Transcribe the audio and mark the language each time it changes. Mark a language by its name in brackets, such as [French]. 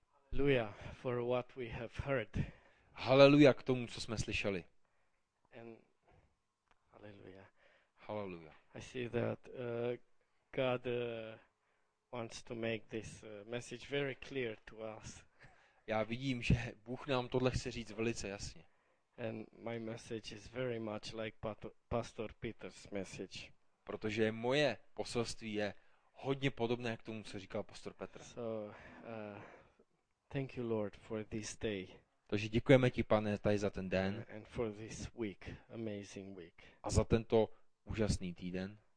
[English] Hallelujah for what we have heard. [Czech] Hallelujah k tomu, co jsme slyšeli. [English] And hallelujah. [Czech] Hallelujah. [English] I see that God wants to make this message very clear to us. [Czech] Já vidím, že Bůh nám tohle chce říct velice jasně. [English] And my message is very much like Pastor Peter's message. [Czech] Protože moje poselství je hodně podobné k tomu, co říkal pastor Petr. [English] So thank you, Lord, for this day. [Czech] Takže děkujeme ti, Pane, tady za ten den. [English] And for this week, amazing week. [Czech] A za tento úžasný týden.